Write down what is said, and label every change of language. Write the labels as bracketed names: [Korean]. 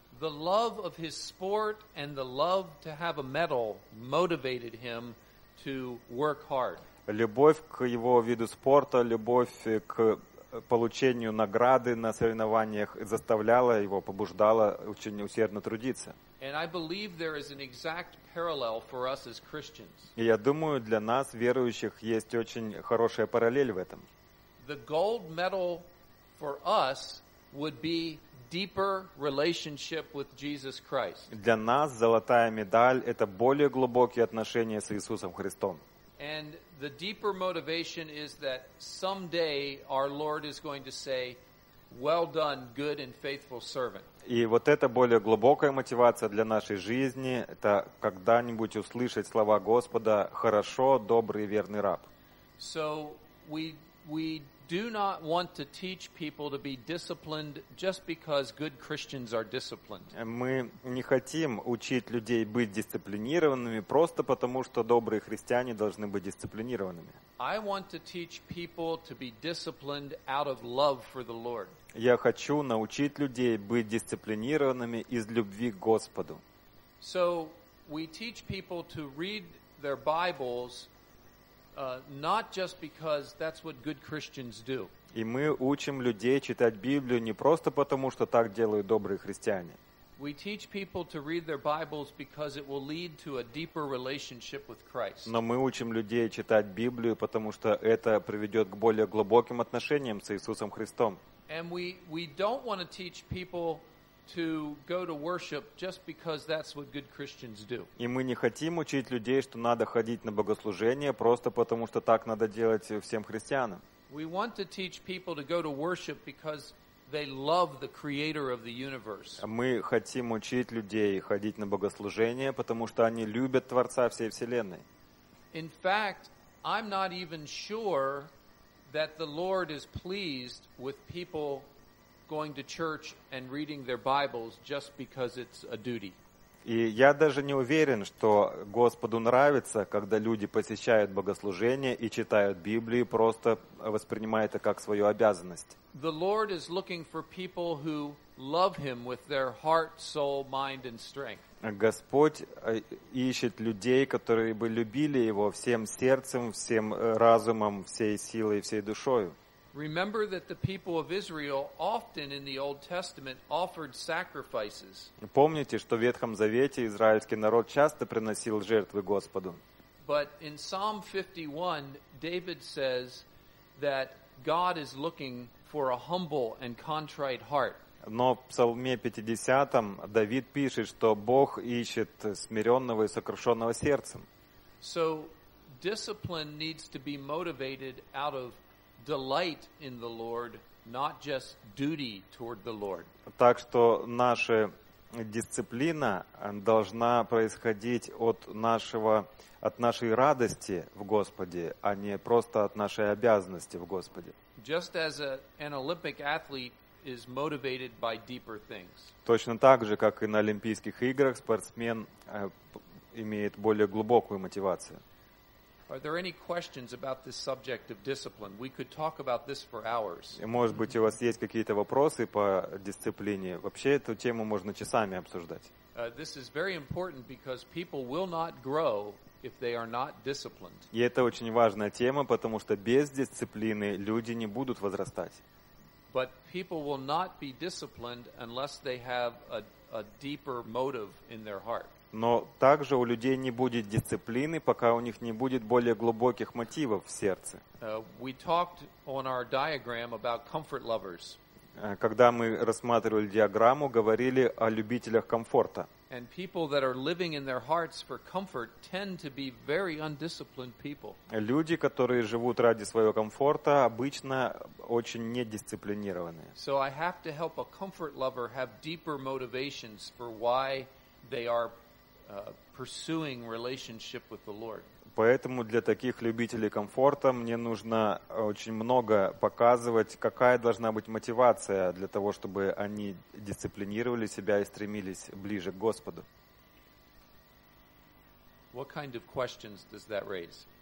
[English] The love of his sport and the love to have a medal motivated him to work hard. [Russian] Любовь к его виду спорта, любовь к получению награды на соревнованиях заставляла его, побуждала очень усердно трудиться. [English] And I believe there is an exact parallel for us as Christians. [Russian] И я думаю, для нас, верующих, есть очень хорошая параллель в этом. [English] The gold medal for us would be deeper relationship with Jesus Christ. [Russian] Для нас золотая медаль — это более глубокие отношения с Иисусом Христом. [English] And the deeper motivation is that someday our Lord is going to say, "Well done, good and faithful servant." [Russian] И вот эта более глубокая мотивация для нашей жизни — это когда-нибудь услышать слова Господа: "Хорошо, добрый и верный раб." [English] So we do not want to teach people to be disciplined just because good Christians are disciplined. [Russian] Мы не хотим учить людей быть дисциплинированными просто потому, что добрые христиане должны быть дисциплинированными. [English] I want to teach people to be disciplined out of love for the Lord. [Russian] Я хочу научить людей быть дисциплинированными из любви к Господу. [English] So we teach people to read their Bibles not just because that's what good Christians do. [Russian] И мы учим людей читать Библию не просто потому, что так делают добрые христиане. [English] We teach people to read their Bibles because it will lead to a deeper relationship with Christ. [Russian] Но мы учим людей читать Библию, потому что это приведет к более глубоким отношениям с Иисусом Христом. [English] And we don't want to teach people to go to worship just because that's what good Christians do. [Russian] И мы не хотим учить людей, что надо ходить на богослужение просто потому, что так надо делать всем христианам. [English] We want to teach people to go to worship because they love the creator of the universe. [Russian] Мы хотим учить людей ходить на богослужение, потому что они любят творца всей вселенной. [English] In fact, I'm not even sure that the Lord is pleased with people going to church and reading their Bibles just because it's a duty. [Russian] И я даже не уверен, что Господу нравится, когда люди посещают богослужение и читают Библию, просто воспринимая это как свою обязанность. [English] The Lord is looking for people who love him with their heart, soul, mind and strength. [Russian] Господь ищет людей, которые бы любили его всем сердцем, всем разумом, всей силой, всей душою. [English] Remember that the people of Israel often in the Old Testament offered sacrifices. [Russian] Помните, что в Ветхом Завете израильский народ часто приносил жертвы Господу. [English] But in Psalm 51, David says that God is looking for a humble and contrite heart. [Russian] Но в Псалме 50-м Давид пишет, что Бог ищет смиренного и сокрушенного сердцем. [English] So discipline needs to be motivated out of delight in the Lord, not just duty toward the Lord. [Russian] Так что наша дисциплина должна происходить от нашей радости в Господе, а не просто от нашей обязанности в Господе. [English] Just as an Olympic athlete is motivated by deeper things. [Russian] Точно так же, как и на Олимпийских играх, спортсмен имеет более глубокую мотивацию. [English] Are there any questions about this subject of discipline? We could talk about this for hours. [Russian] Может быть, у вас есть какие-то вопросы по дисциплине? Вообще эту тему можно часами обсуждать. [English] This is very important because people will not grow if they are not disciplined. [Russian] И это очень важная тема, потому что без дисциплины люди не будут возрастать. [English] But people will not be disciplined unless they have a deeper motive in their heart. [Russian] Но также у людей не будет дисциплины, пока у них не будет более глубоких мотивов в сердце. [English] We talked on our diagram about comfort lovers. [Russian] Когда мы рассматривали диаграмму, говорили о любителях комфорта. [English] And people that are living in their hearts for comfort tend to be very undisciplined people. [Russian] Люди, которые живут ради своего комфорта, обычно очень недисциплинированные. [English] So I have to help a comfort lover have deeper motivations for why they are pursuing relationship with the Lord. [Russian] Поэтому для таких любителей комфорта мне нужно очень много показывать, какая должна быть мотивация для того, чтобы они дисциплинировали себя и стремились ближе к Господу. [English] What kind of questions does that raise?